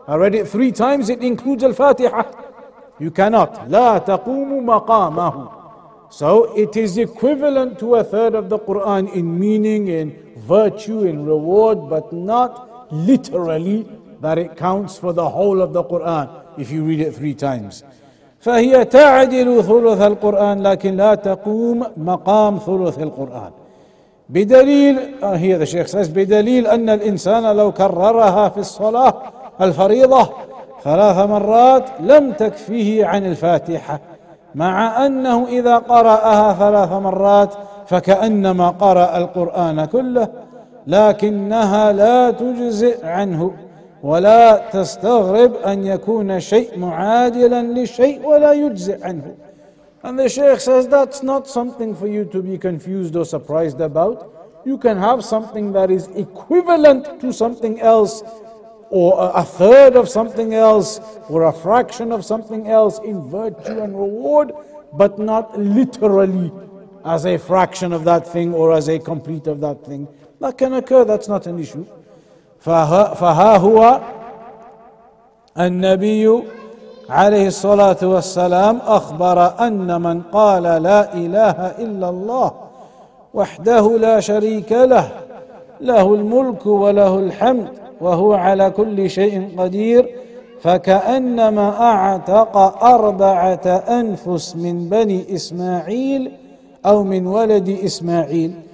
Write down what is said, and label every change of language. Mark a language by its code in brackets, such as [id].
[en] I read it three times, it includes Al-Fatiha. You cannot. [ar] لَا تَقُومُ مَقَامَهُ. [en] So it is equivalent to a third of the Qur'an in meaning, in virtue, in reward, but not literally that it counts for the whole of the Qur'an if you read it three times. [ar] فَهِيَ تَعْدِلُ ثُلُثَ الْقُرْآنِ لَكِنْ لَا تَقُومْ مَقَامْ ثُلُثِ الْقُرْآنِ بِدَلِيلِ, [en] here the Shaykh says, [ar] بِدَلِيلِ أَنَّ الْإِنسَانَ لَوْ كَرَّرَهَا فِي الصَّلَاةِ الْفَرِيضَةِ ثَلَاثَ مَرَّاتِ لَمْ تَكْفِيهِ عَنِ الْفَاتِحَةِ مع أنه إذا قرأها ثلاث مرات فكأنما قرأ القرآن كله لكنها لا تجزئ عنه ولا تستغرب أن يكون شيء معادلا لشيء ولا يجزئ عنه. [en] And the Shaykh says that's not something for you to be confused or surprised about. You can have something that is equivalent to something else, or a third of something else, or a fraction of something else in virtue and reward, but not literally as a fraction of that thing or as a complete of that thing. That can occur, that's not an issue. [ar] فَهَا هُوَ النبي عليه الصلاة والسلام أخبر أن من قال لا إله إلا الله وحده لا شريك له له الملك وله الحمد وهو على كل شيء قدير فكأنما أعتق أربعة أنفس من بني إسماعيل أو من ولد إسماعيل.